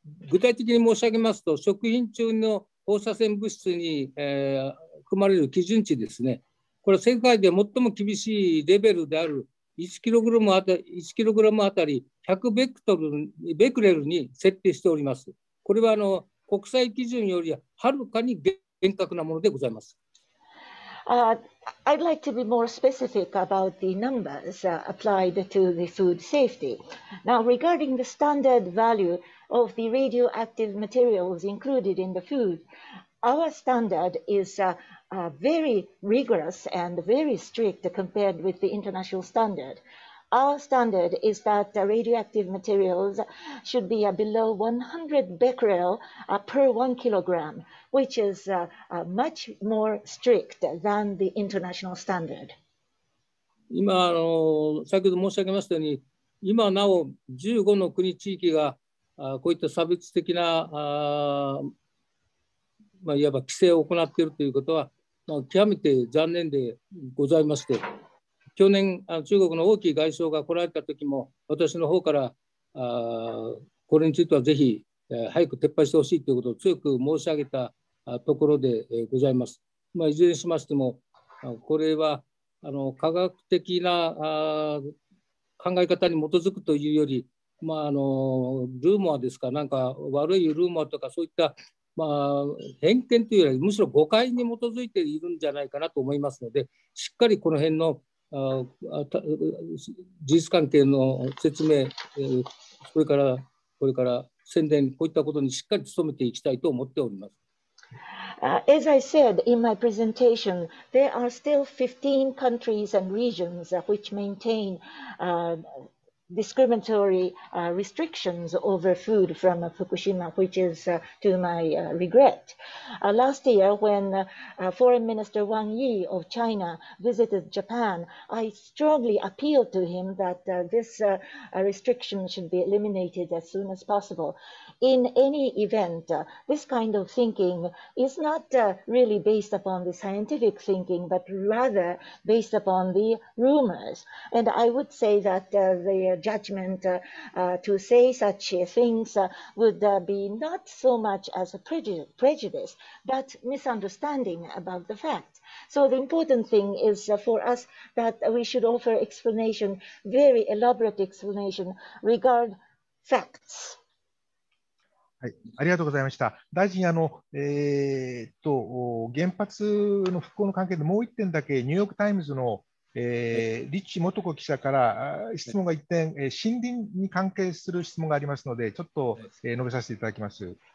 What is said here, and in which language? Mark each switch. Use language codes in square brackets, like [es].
[ja] 具体的に申し上げますと、食品中の放射線物質に、含まれる基準値ですね。これは世界で最も厳しいレベルである1キログラムあたり100ベクトル、ベクレルに設定しております。これは国際基準よりはるかに厳格なものでございます。 [en] I'd like to be more specific about the numbers applied to the food safety. Now, regarding the standard value of the radioactive materials included in the food, our standard is very rigorous and very strict compared with the international standard. Our standard is that radioactive materials should be below 100 becquerel per 1 kilogram, which is much more strict than the international standard. [ja] 今先ほど申し上げましたように、今なお15の国地域がこういった差別的な、いわば規制を行っているということは、極めて残念でございまして、去年、中国の王毅外相が来られたときも、私の方から、これについてはぜひ、早く撤廃してほしいということを強く申し上げたところでございます。まあ、いずれにしましても、これは科学的な考え方に基づくというより、まあ、ルーモアですか、なんか悪いルーモアとか、そういった。まあ、偏見というよりむしろ誤解に基づいているんじゃないかなと思いますので、しっかりこの辺の事実関係の説明、これから宣伝、こういったことにしっかり努めていきたいと思っております。 [en] As I said in my presentation, there are still 15 countries and regions which maintain discriminatory restrictions over food from Fukushima, which is to my regret. Last year, when Foreign Minister Wang Yi of China visited Japan, I strongly appealed to him that this restriction should be eliminated as soon as possible. In any event, this kind of thinking is not really based upon the scientific thinking, but rather based upon the rumors. And I would say that the judgment to say such things would be not so much as a prejudice, but misunderstanding about the facts. So the important thing is for us that we should offer explanation, very elaborate explanation regarding facts. [ja] ありがとうございました。大臣、原発の復興の関係でもう1点だけ、ニューヨークタイムズの、リッチ元子記者から質問が1点、森林に関係する質問がありますので、ちょっと、述べさせていただきます。